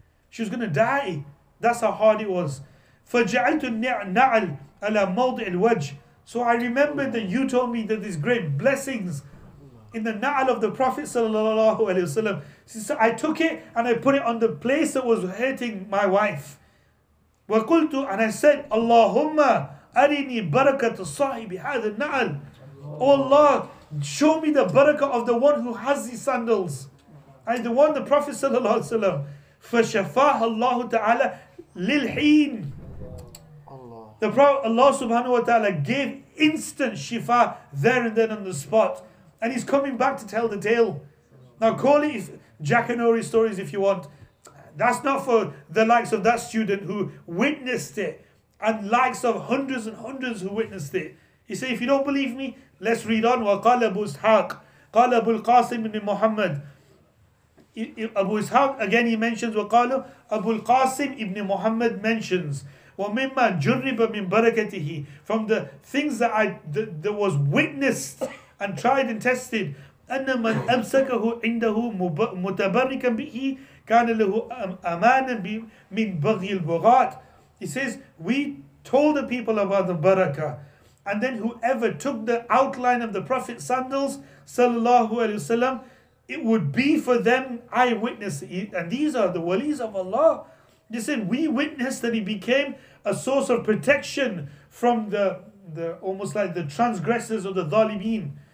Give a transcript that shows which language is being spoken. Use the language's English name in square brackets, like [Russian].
[English] She was going to die. That's how hard it was. [Arabic] فَجَعَلْتُ النَّعَلْ عَلَى مَوْضِعِ الْوَجْهِ. [English] So I remember that you told me that these great blessings in the na'al of the Prophet sallallahu alayhi wa sallam. So I took it and I put it on the place that was hurting my wife. [Arabic] وَقُلْتُ [English] And I said, [Arabic] اللَّهُمَّ أَرِنِي بَرَكَةُ صَاحِبِ هَذَا النَّعَلْ. [English] Oh Allah, show me the barakah of the one who has these sandals. And the one, the Prophet sallallahu alayhi wa sallam. [Arabic] فَشَفَاهَ اللَّهُ تَعَالَى لِلْحِينَ. [English] The Prophet Allah subhanahu wa ta'ala gave instant shifa there and then on the spot. And he's coming back to tell the tale. Now call it Jackanory stories if you want. That's not for the likes of that student who witnessed it. And likes of hundreds and hundreds who witnessed it. He said, if you don't believe me, let's read on. [Arabic] وَقَالَ أَبُو إِسْحَاقِ قَالَ أَبُو الْقَاسِمِ بْنِ مُحَمَّدٍ. [English] Abu Ishaq, again he mentions, [Arabic] وَقَالَ أَبُو الْقَاسِمِ بْنِ مُحَمَّدٍ [English] mentions, [Arabic] وَمِمَّا جُرِّبَ مِنْ بَرَكَتِهِ, [English] from the things that that was witnessed and tried and tested, [Arabic] أَنَّ مَنْ أَمْسَكَهُ عِنْدَهُ مُتَبَرِّكًا بِهِ كَانَ لَهُ أَمَانًا مِنْ بَغْيِ الْبُغَاتِ. [English] He says, we told the people about the barakah, and then whoever took the outline of the Prophet's sandals sallallahu alayhi wasallam, it would be for them eyewitness. And these are the walis of Allah. They said, we witnessed that he became a source of protection from the almost like the transgressors or the dhalimeen.